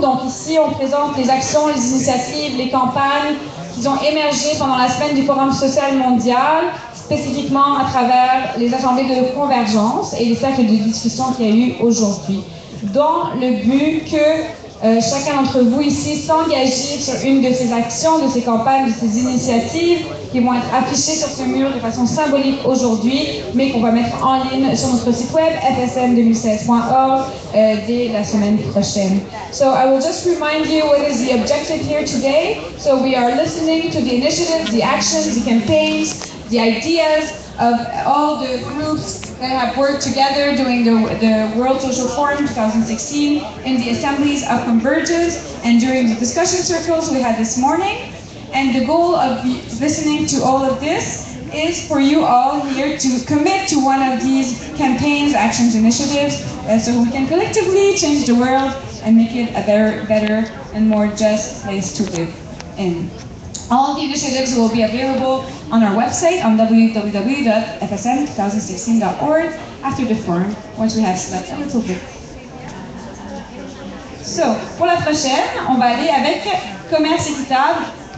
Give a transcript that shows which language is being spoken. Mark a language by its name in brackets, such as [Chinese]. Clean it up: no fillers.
[French] Donc ici, on présente les actions, les initiatives, les campagnes qui ont émergé pendant la semaine du Forum social mondial, spécifiquement à travers les assemblées de convergence et les cercles de discussion qu'il y a eu aujourd'hui, dans le but que chacun d'entre vous ici s'engager sur une de ces actions, de ces campagnes, de ces initiatives qui vont être affichées sur ce mur de façon symbolique aujourd'hui, mais qu'on va mettre en ligne sur notre site web fsm2016.org dès la semaine prochaine. [English] So I will just remind you what is the objective here today. So we are listening to the initiatives, the actions, the campaigns, the ideas of all the groups that have worked together during the World Social Forum 2016 in the assemblies of convergence and during the discussion circles we had this morning. And the goal of listening to all of this is for you all here to commit to one of these campaigns, actions, initiatives, so we can collectively change the world and make it a better and more just place to live in. All the initiatives will be available on our website on www.fsm2016.org after the forum, once we have slept a little bit. [French] So, pour la prochaine, on va aller avec Commerce Équitable.